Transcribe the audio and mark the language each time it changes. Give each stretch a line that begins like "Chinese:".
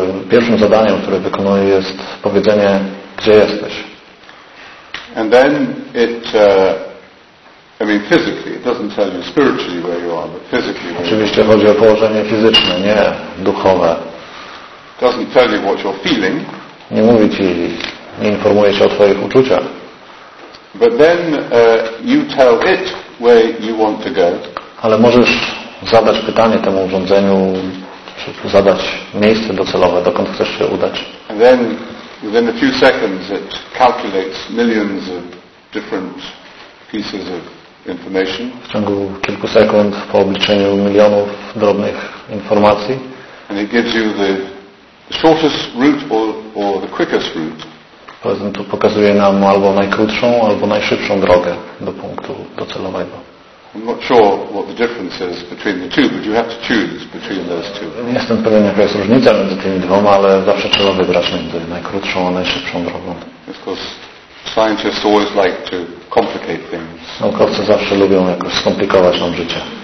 Polish: Pierwszym zadaniem, które wykonuje, jest powiedzenie, gdzie jesteś.
English: And then it, I mean physically, it doesn't tell you spiritually where you are, but physically.
Polish: Oczywiście chodzi o położenie fizyczne, nie duchowe.
English: Doesn't tell you what you're feeling.
Polish: Nie mówi ci, nie informuje cię o twoich uczuciach.
English: But then you tell it where you want to go.
Polish: Ale możesz zadać pytanie temu urządzeniu, czy zadać miejsce docelowe, dokąd chcesz się udać.
English: And then within a few seconds it calculates millions of different pieces of information.
Polish: W ciągu kilku sekund po obliczeniu milionów drobnych informacji.
English: And it gives you the shortest route or the quickest route.
Polish: To pokazuje nam albo najkrótszą, albo najszybszą drogę do punktu docelowego.
English: I'm not sure what the difference is between the two, but you have to choose between those two.
Polish: Nie jestem pewien, jaka jest różnica między tymi dwoma, ale zawsze trzeba wybrać między najkrótszą a najszybszą drogą.
English: Of course, scientists always like to complicate things.
Polish: Naukowcy zawsze lubią jakoś skomplikować nam życie.